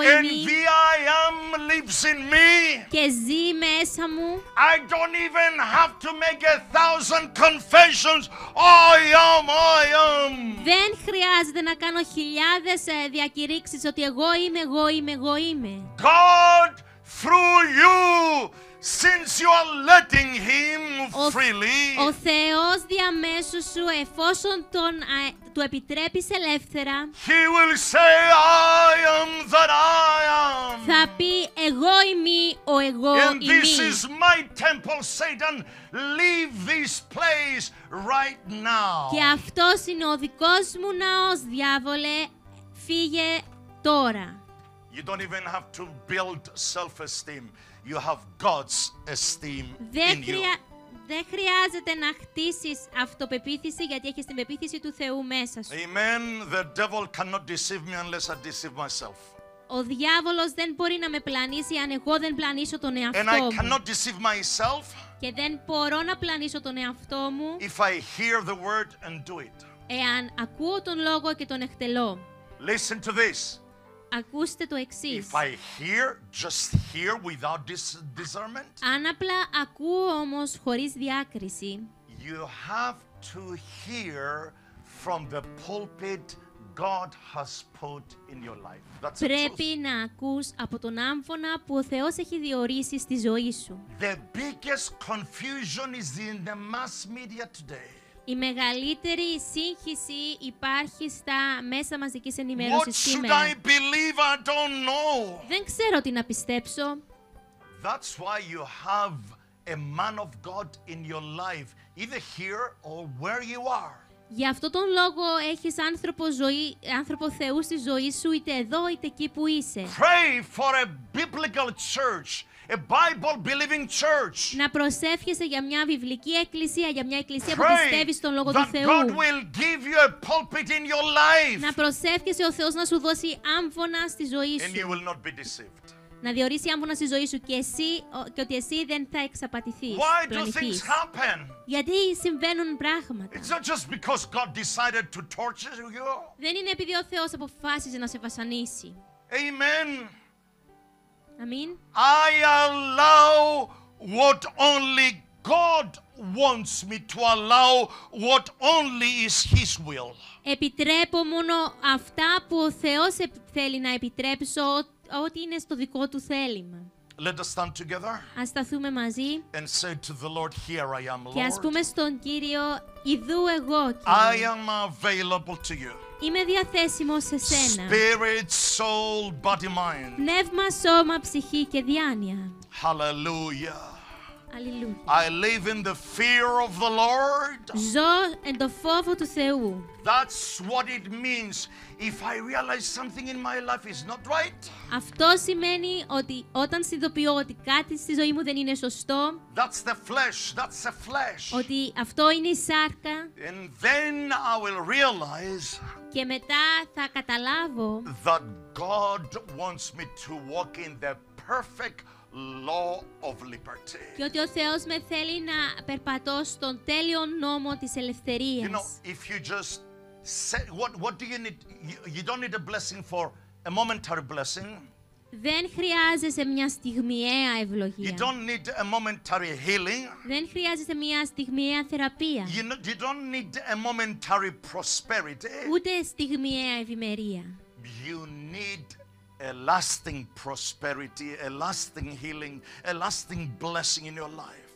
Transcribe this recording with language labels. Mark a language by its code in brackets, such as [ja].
[el] είμαι. [en] And the I am lives in me. [el] Και ζει μέσα μου. [en] I don't even have to make 1,000 confessions. I am, I am. [el] Δεν χρειάζεται να κάνω χιλιάδες διακηρύξεις ότι εγώ είμαι, εγώ είμαι, εγώ είμαι. [en] God through you, since you are letting him freely. [el] Ο Θεός διαμέσου σου, εφόσον τον του επιτρέπεις ελεύθερα. [en] He will say, I am that I am. [el] Θα πει, εγώ είμαι ο εγώ είμαι. [en] And this is my temple, Satan. Leave this place right now. [el] Και αυτός είναι ο δικός μου ναός, διάβολε, φύγε τώρα. [en] You don't even have to build self-esteem. You have God's esteem in you. [el] Δεν χρειάζεται να χτίσεις αυτοπεποίθηση γιατί έχεις την πεποίθηση του Θεού μέσα σου. [en] Amen. The devil cannot deceive me unless I deceive myself. [el] Ο διάβολος δεν μπορεί να με πλανήσει αν εγώ δεν πλανήσω τον εαυτό μου. [en] And I cannot deceive myself. [el] Και δεν μπορώ να πλανήσω τον εαυτό μου. [en] If I hear the word and do it. [el] Εάν ακούω τον λόγο και τον εκτελώ. [en] Listen to this. [el] Ακούστε το εξής. [en] If I hear, just hear without discernment. [el] Αν απλά ακούω όμως χωρίς διάκριση. [en] You have to hear from the pulpit God has put in your life. That's [el] πρέπει να ακούς από τον άμφωνα που ο Θεός έχει διορίσει στη ζωή σου. [en] The biggest confusion is in the mass media today. [el] Η μεγαλύτερη σύγχυση υπάρχει στα μέσα μαζικής ενημέρωσης [en] What [el] σήμερα. [en] Should I believe? I don't know. [el] Δεν ξέρω τι να πιστέψω. [en] That's why you have a man of God in your life, either here or where you are. [el] Γι' αυτό τον λόγο έχεις άνθρωπο Θεού στη ζωή σου, είτε εδώ είτε εκεί που είσαι. [en] Pray for a biblical church. A Bible-believing church. [el] Να προσεύχεσαι για μια βιβλική εκκλησία, για μια εκκλησία που πιστεύει στον λόγο του Θεού. [en] God will give you a pulpit in your life. [el] Να προσεύχεσαι ο Θεός να σου δώσει άμφωνα στη ζωή σου. [en] And you will not be deceived. [el] Να διορίσει άμφωνα στη ζωή σου και ότι εσύ δεν θα εξαπατηθείς. [en] Why do things happen? [el] Γιατί συμβαίνουν πράγματα. [en] It's not just because God decided to torture you. [el] Δεν είναι επειδή ο Θεός αποφάσισε να σε βασανίσει. [en] Amen. I mean, I allow what only God wants me to allow what only is His will. [el] Επιτρέπω μόνο αυτά που ο Θεός θέλει να επιτρέψω, ό,τι είναι στο δικό του θέλημα. [en] Let us stand together. [el] Ας σταθούμε μαζί. [en] And say to the Lord, Here I am, Lord. [el] Και ας πούμε στον Κύριο, ιδού εγώ, Κύριε. [en] I am available to you. [el] Είμαι διαθέσιμος σε σένα. [en] Spirit, soul, body, mind. [el] Πνεύμα, σώμα, ψυχή και διάνοια. [en] Hallelujah. [el] Alleluia. [en] I live in the fear of the Lord. [el] Ζω εν το φόβο του Θεού. [en] That's what it means. If I realize something in my life is not right. [el] Αυτό σημαίνει ότι όταν συνειδητοποιώ ότι κάτι στη ζωή μου δεν είναι σωστό. [en] That's the flesh. That's the flesh. [el] Ότι αυτό είναι η σάρκα. [en] And then I will realize. [el] Και μετά θα καταλάβω. [en] That God wants me to walk in the perfect Law of liberty. [el] Και ότι ο Θεός με θέλει να περπατώ στον τέλειο νόμο της ελευθερίας. [en] You know, if you just say, what do you need? You don't need a blessing for a momentary blessing. [el] Δεν χρειάζεσαι μια στιγμιαία ευλογία. [en] You don't need a momentary healing. [el] Δεν χρειάζεσαι μια στιγμιαία θεραπεία. [en] You don't need a momentary prosperity. [el] Ούτε στιγμιαία ευημερία. [en] You need a lasting prosperity, a lasting healing, a lasting blessing in your life.